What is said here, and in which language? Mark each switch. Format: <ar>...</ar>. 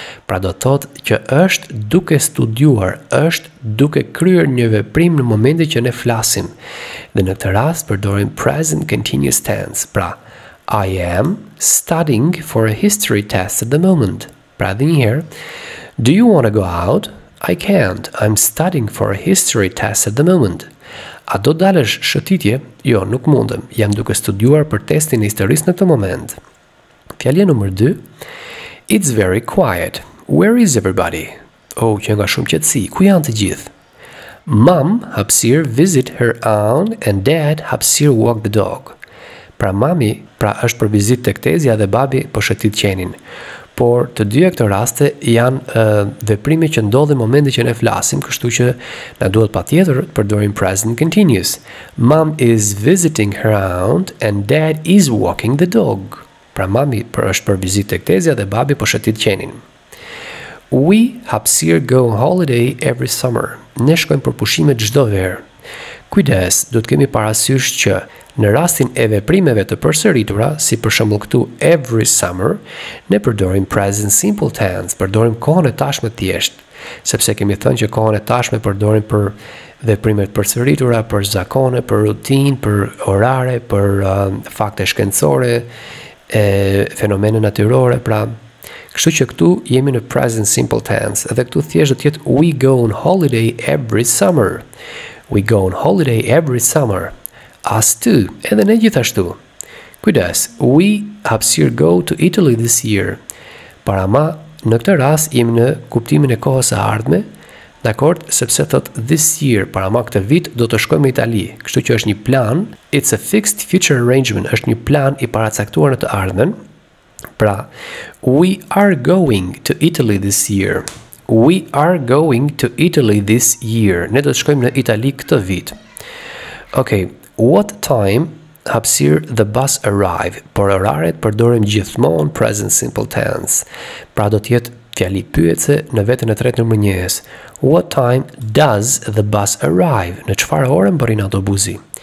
<sq>Pra do thotë që është duke studiuar, është duke kryer një veprim në momentin që ne flasim. Dhe në këtë rast përdorim</sq> <en>present continuous tense. Pra I am studying for a history test at the moment.</en> <sq>Pra dhe njëherë,</sq> <en>do you want to go out? I can't. I'm studying for a history test at the moment.</en> <sq>A do dalësh shëtitje? Jo, nuk mundem. Jam duke studiuar për testin e historisë në këtë moment. Fjalia numër 2.</sq> <en>It's very quiet. Where is everybody?</en> <sq>Oh, që nga shumë qetësi. Ku janë të gjithë?</sq> <en>Mom hapsir visit her aunt and dad hapsir walk the dog.</en> <sq>Pra mami, pra është për vizitë tek tezja dhe babi po shëtit qenin. Por të dyja këto raste janë veprime që ndodhin momenti që ne flasim, kështu që na duhet patjetër të përdorim present continuous.</sq> <en>Mom is visiting her aunt and dad is walking the dog.</en> <sq>Pra mami është për vizitë tek tezja dhe babi po shëtit qenin.</sq> <en>We hapsir go on holiday every summer.</en> <sq>Ne shkojmë për pushime çdo verë. Kujdes, duhet kemi parasysh që në rastin e veprimeve të përsëritura, si për shembull këtu every summer, ne përdorim present simple tense, përdorim kohën e tashme thjesht, sepse kemi thënë që kohën e tashme përdorim për veprimet përsëritura, për zakone, për rutinë, për orare, për fakte shkencore, e fenomene natyrore, pra Kështu që këtu jemi në present simple tense, edhe këtu thjesht do të jetë</sq> <en>we go on holiday every summer. We go on holiday every summer. Us too,</en> <sq>edhe ne gjithashtu. Kujdes,</sq> <en>we hapsir go to Italy this year.</en> <sq>Para ma, në këtë rast jemi në kuptimin e kohës së ardhme, dakord, sepse thot</sq> <en>this year,</en> <sq>para ma këtë vit do të shkojmë në Itali. Kështu që është një plan,</sq> <en>it's a fixed future arrangement,</en> <sq>është një plan I paracaktuar në të ardhmen.</sq> <en>Pra, we are going to Italy this year. We are going to Italy this year.</en> <sq>Ne do të shkojmë në Itali këtë vit.</sq> <en>Okay, what time hapsir the bus arrive?</en> <sq>Por oraret përdorim gjithmonë present simple tense. Pra do të jetë fjali pyetëse në vetën e tretë numër njëjes.</sq> <en>What time does the bus arrive?</en> <sq>Në çfarë orë mbërrin autobusi?</sq>